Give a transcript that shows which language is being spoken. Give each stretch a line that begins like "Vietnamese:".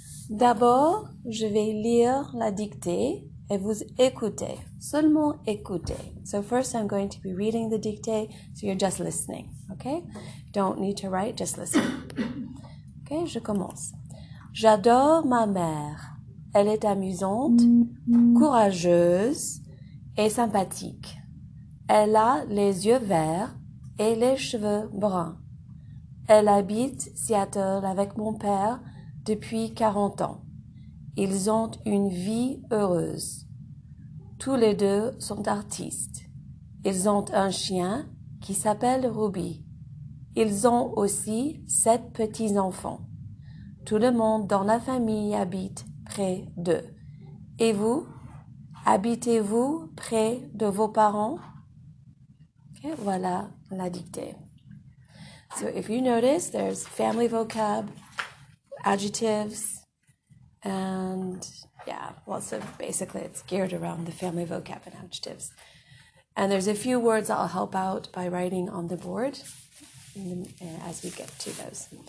French: D'abord, je vais lire la dictée et vous écouter. Seulement écouter.
English: So first I'm going to be reading the dictée, so you're just listening, okay? Don't need to write, just listen. Okay,
French: je commence. J'adore ma mère. Elle est amusante, courageuse et sympathique. Elle a les yeux verts et les cheveux bruns. Elle habite Seattle avec mon père depuis 40 ans. Ils ont une vie heureuse. Tous les deux sont artistes. Ils ont un chien qui s'appelle Ruby. Ils ont aussi 7 petits-enfants. Tout le monde dans la famille habite près d'eux. Et vous, habitez-vous près de vos parents? Okay, voilà la dictée.
English: So if you notice, there's family vocab, adjectives, and yeah, lots of, basically it's geared around the family vocab and adjectives. And there's a few words that I'll help out by writing on the board as we get to those.